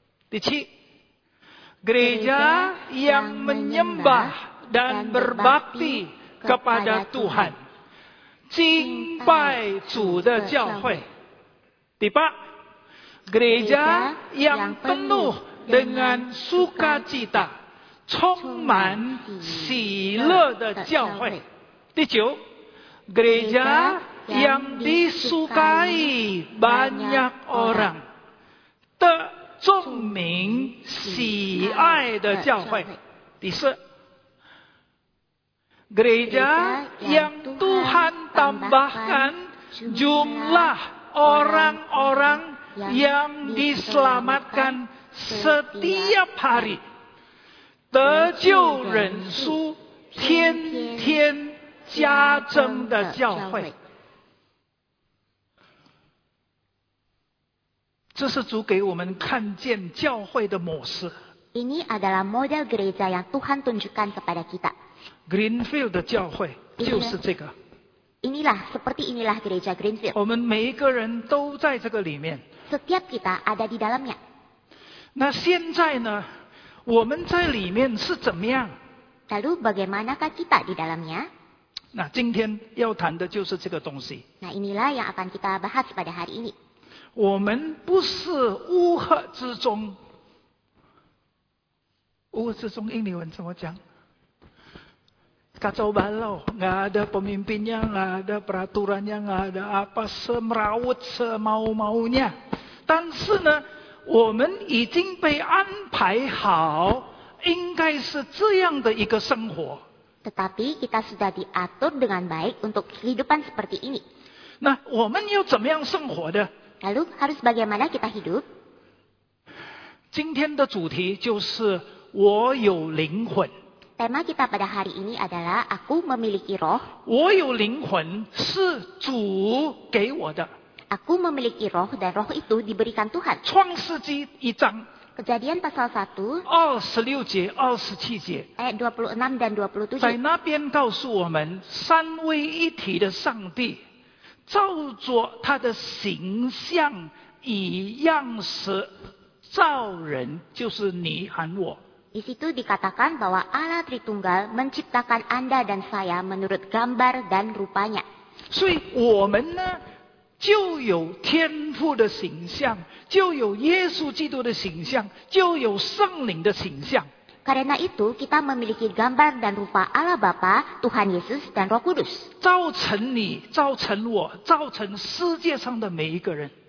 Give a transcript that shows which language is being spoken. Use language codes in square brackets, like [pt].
[id] 第七， gereja yang menyembah dan berbakti kepada Tuhan， [zh] 敬拜主的教会。 [id] 第八， gereja yang penuh dengan sukacita， [zh] 充满喜乐的教会。 [id] 第九， gereja yang disukai banyak orang， [zh] 的众民喜爱的教会。 [id] 第四， gereja yang Tuhan tambahkan jumlah orang-orang yang diselamatkan setiap hari， [zh] 得救人数天天加增的教会。这是主给我们看见教会的模式。 [id] Ini adalah model gereja yang Tuhan tunjukkan kepada kita。 [zh] Greenfield 的教会就是这个。 [id] Inilah seperti inilah gereja Greenfield。 [zh] 我们每一个人都在这个里面。 [id] Setiap kita ada di dalamnya。 [zh] 那现在呢？我们在里面是怎么样？ [id] Lalu bagaimanakah kita di dalamnya？ [zh] 那今天要谈的就是这个东西。 [id] Nah inilah yang akan kita bahas pada hari ini。 [zh] 我们不是乌合之众，乌合之众英文怎么讲？ [id] kacau balau， nggak ada pemimpinnya， nggak ada peraturannya， nggak ada apa， semrawut semau maunya。 [zh] 但是呢，我们已经被安排好，应该是这样的一个生活。 [id] Tetapi kita sudah diatur dengan baik untuk kehidupan seperti ini。 [zh] 那我们要怎么样生活的？ [id] Lalu harus bagaimana kita hidup? [zh] 今天的主题就是我有灵魂。 [id] Tema kita pada hari ini adalah aku memiliki roh。 [zh] 我有灵魂是主给我的。 [id] Aku memiliki roh dan roh itu diberikan Tuhan。 [zh] 创世纪一章。 [id] Kejadian pasal 1。 [zh] 26节、27节。 [id] Ayat 26 dan 27。 [zh] 在那边告诉我们三位一体的上帝。照着他的形象以样式造人，就是你和我。 [id] Di situ dikatakan bahwa Allah Tritunggal menciptakan Anda dan saya menurut gambar dan rupanya。 [zh] 所以我们呢，就有天父的形象，就有耶稣基督的形象，就有圣灵的形象。 [id] Karena itu kita memiliki gambar dan rupa Allah Bapa, Tuhan Yesus dan Roh Kudus。 [zh] 造成你，造成我，造成世界上的每一个人。